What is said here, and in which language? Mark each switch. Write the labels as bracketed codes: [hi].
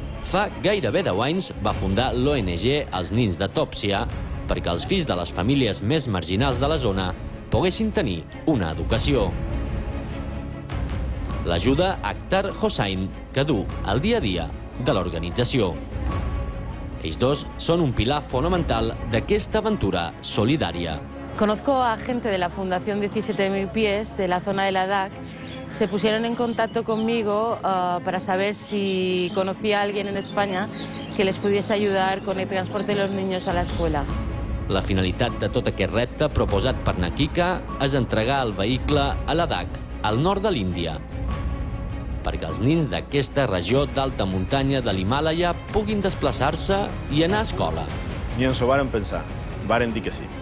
[ca] Fa gairebé 10 anys va fundar l'ONG Els Nins de Tòpsia perquè els fills de les famílies més marginals de la zona poguessin tenir una educació. L'ajuda Akhtar Hossain, que du el dia a dia de l'organització. Ells dos són un pilar fonamental d'aquesta aventura solidària. [es] Conozco a gente de la Fundación 17.000 Pies, de la zona de Ladakh. Se pusieron en contacto conmigo para saber si conocía a alguien en España que les pudiese ayudar con el transporte de los niños a la escuela. [ca] La finalitat de tot aquest repte proposat per Nakika és entregar el vehicle a Ladakh, al nord de l'Índia, perquè els nins d'aquesta regió d'alta muntanya de l'Himàlaia puguin desplaçar-se i anar a escola. I ens ho vàrem pensar, vàrem dir que sí.